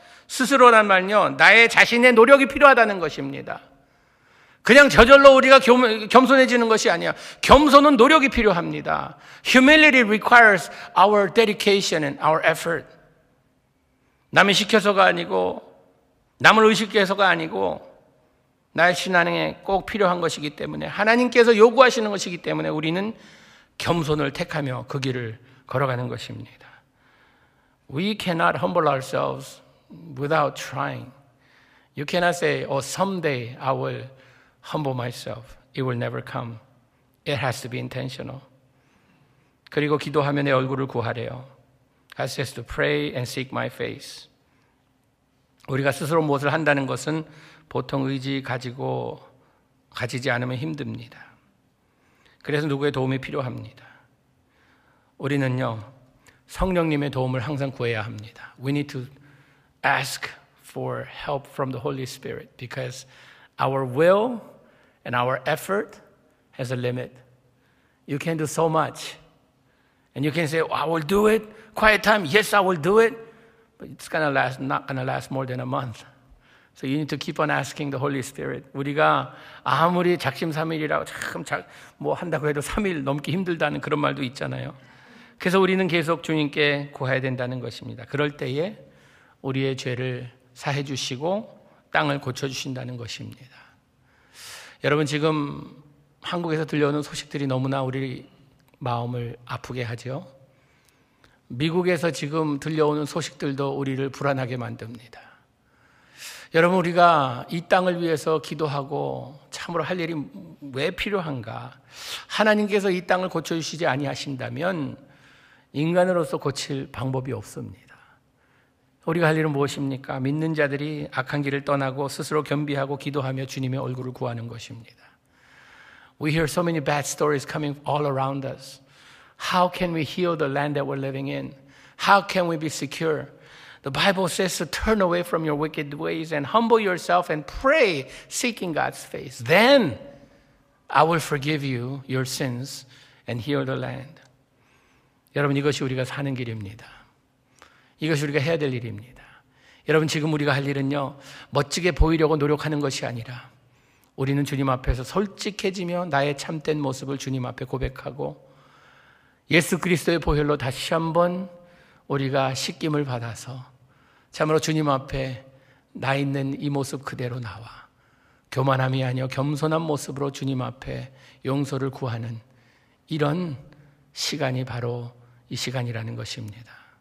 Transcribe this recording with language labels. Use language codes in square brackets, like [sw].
[ko] 스스로란 말은요, 나의 자신의 노력이 필요하다는 것입니다. 그냥 저절로 우리가 겸손해지는 것이 아니야. 겸손은 노력이 필요합니다. [en] Humility requires our dedication and our effort. [ko] 남이 시켜서가 아니고, 남을 의식해서가 아니고, 나의 신앙에 꼭 필요한 것이기 때문에, 하나님께서 요구하시는 것이기 때문에 우리는 겸손을 택하며 그 길을 걸어가는 것입니다. [en] We cannot humble ourselves without trying. You cannot say, oh, someday I will humble myself. It will never come. It has to be intentional. [ko] 그리고 기도하면 내 얼굴을 구하래요. [en] God says to pray and seek my face. [ko] 우리가 스스로 무엇을 한다는 것은 보통 의지 가지고 가지지 않으면 힘듭니다. 그래서 누구의 도움이 필요합니다. 우리는요, 성령님의 도움을 항상 구해야 합니다. [en] We need to ask for help from the Holy Spirit because our will and our effort has a limit. You can do so much. And you can say, well, I will do it. Quiet time. Yes, I will do it. But it's gonna last, not gonna last more than a month. So you need to keep on asking the Holy Spirit. [ko] 우리가 아무리 작심삼일이라고 참 뭐 한다고 해도 3일 넘기 힘들다는 그런 말도 있잖아요. 그래서 우리는 계속 주님께 구해야 된다는 것입니다. 그럴 때에 우리의 죄를 사해 주시고 땅을 고쳐 주신다는 것입니다. 여러분 지금 한국에서 들려오는 소식들이 너무나 우리 마음을 아프게 하죠. 미국에서 지금 들려오는 소식들도 우리를 불안하게 만듭니다. 여러분 우리가 이 땅을 위해서 기도하고 참으로 할 일이 왜 필요한가? 하나님께서 이 땅을 고쳐 주시지 아니하신다면 인간으로서 고칠 방법이 없습니다. 우리가 할 일은 무엇입니까? 믿는 자들이 악한 길을 떠나고 스스로 겸비하고 기도하며 주님의 얼굴을 구하는 것입니다. [en] We hear so many bad stories coming all around us. How can we heal the land that we're living in? How can we be secure? The Bible says to turn away from your wicked ways and humble yourself and pray, seeking God's face. Then I will forgive you your sins and heal the land. [ko] 여러분 이것이 우리가 사는 길입니다. 이것이 우리가 해야 될 일입니다. 여러분 지금 우리가 할 일은요, 멋지게 보이려고 노력하는 것이 아니라 우리는 주님 앞에서 솔직해지며 나의 참된 모습을 주님 앞에 고백하고 예수 그리스도의 보혈로 다시 한번 우리가 씻김을 받아서 참으로 주님 앞에 나 있는 이 모습 그대로 나와 교만함이 아니여 겸손한 모습으로 주님 앞에 용서를 구하는 이런 시간이 바로 이 시간이라는 것입니다.